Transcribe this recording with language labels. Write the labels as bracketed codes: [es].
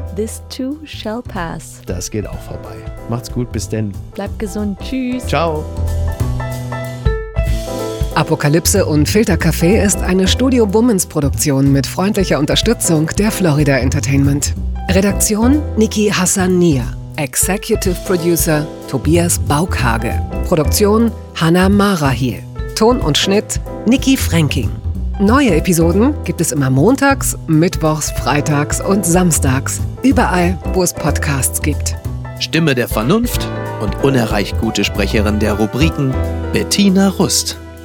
[en] This too shall pass. [de] Das geht auch vorbei. Macht's gut, bis denn. Bleibt gesund. Tschüss. Ciao. Apokalypse und Filtercafé ist eine Studio-Bummens-Produktion mit freundlicher Unterstützung der Florida Entertainment. Redaktion Niki Hassan-Nia. Executive Producer Tobias Baukhage. Produktion Hanna Marahiel. Ton und Schnitt Niki Fränking. Neue Episoden gibt es immer montags, mittwochs, freitags und samstags. Überall, wo es Podcasts gibt. Stimme der Vernunft und unerreicht gute Sprecherin der Rubriken Bettina Rust.